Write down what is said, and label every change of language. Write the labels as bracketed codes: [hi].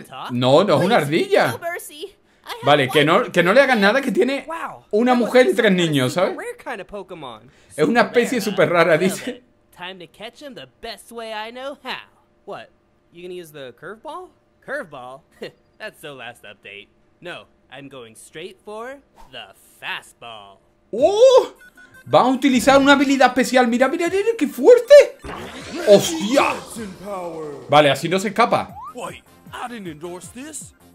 [es] No es una ardilla. Vale, que no le hagan nada, que tiene una mujer y tres niños, ¿sabes? Es una especie súper rara, dice. [en] Time to catch him the best way I know how. What? You gonna use the curveball? Curveball? That's the last update. No, I'm going straight for the fastball. ¡Oh! [es] Va a utilizar una habilidad especial. Mira, mira, mira, qué fuerte. ¡Hostia! Vale, así no se escapa. [en] Wait, I didn't endorse this.